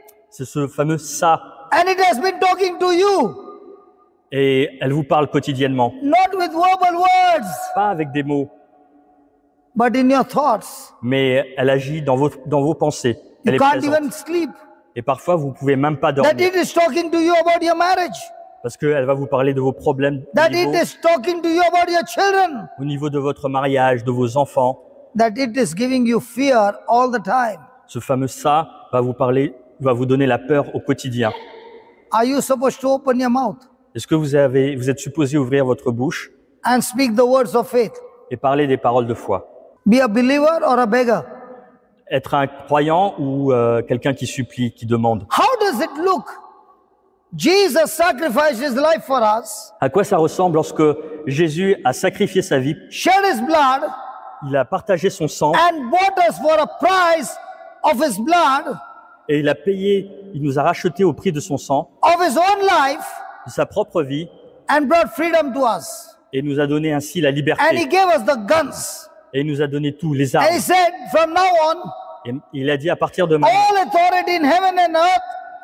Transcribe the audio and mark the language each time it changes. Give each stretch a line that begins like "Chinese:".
French: C'est ce fameux ça.
English: And it has been talking to you.
French: Et elle vous parle quotidiennement.
English: Not with verbal words,
French: pas avec des mots.
English: But in your thoughts,
French: mais elle agit dans vos pensées.
English: You
French: elle
English: can't
French: est présente.
English: Even sleep,
French: et parfois, vous ne pouvez même pas dormir.
English: That it is talking to you about your marriage,
French: parce qu'elle va vous parler de vos problèmes.
English: That it is talking to you about your children,
French: au niveau de votre mariage, de vos enfants.
English: That it is giving you fear all the time.
French: Ce fameux « ça » va vous donner la peur au quotidien.
English: Are you supposed to open your mouth?
French: Est-ce que vous êtes supposé ouvrir votre bouche
English: and speak the words of faith.
French: Et parler des paroles de foi.
English: Be a believer or a beggar.
French: Être un croyant ou quelqu'un qui supplie, qui demande.
English: How does it look? Jesus sacrificed his life for us.
French: À quoi ça ressemble lorsque Jésus a sacrifié sa vie?
English: Shed his blood.
French: Il a partagé son sang.
English: And bought us for a price of his blood.
French: Et il a payé, il nous a racheté au prix de son sang.
English: Of his own life.
French: De sa propre vie.
English: And brought freedom to us.
French: Et nous a donné ainsi la liberté.
English: And he gave us the guns.
French: Et il nous a donné tout, les armes.
English: And he said, from now on.
French: Et il a dit à partir de maintenant.
English: All authority in heaven and earth.